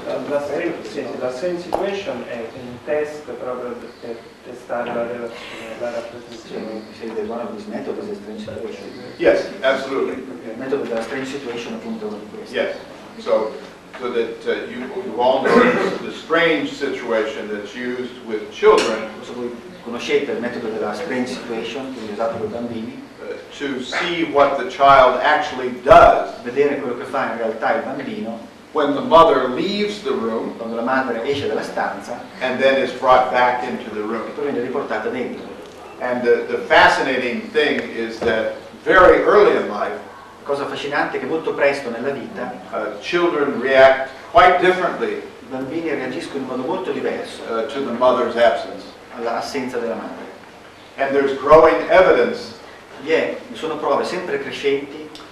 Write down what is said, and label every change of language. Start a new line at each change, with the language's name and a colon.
Italian: La same situation è un test proprio per testare la relazione, la rappresentazione. Sei del
English: one of these
Italian: metodi di strange situation?
English: Yes, absolutely.
Italian: Il metodo della strange situation, appunto, è uno di questi.
English: Yes, so that you all know the strange situation that's used with children.
Italian: Conoscete il metodo della strange situation che viene usato con i bambini?
English: To see what the child actually does.
Italian: Vedere quello che fa in realtà il bambino.
English: When the mother leaves the room.
Italian: Quando la madre esce dalla stanza.
English: And then is brought back into the room.
Italian: E poi viene riportata dentro.
English: And the fascinating thing is that very early in life.
Italian: La cosa affascinante è che molto presto nella vita.
English: Children react quite differently.
Italian: I bambini reagiscono in modo molto diverso.
English: To the mother's absence.
Italian: L'assenza della madre.
English: And there's growing evidence.
Italian: Yeah, sono prove sempre crescenti.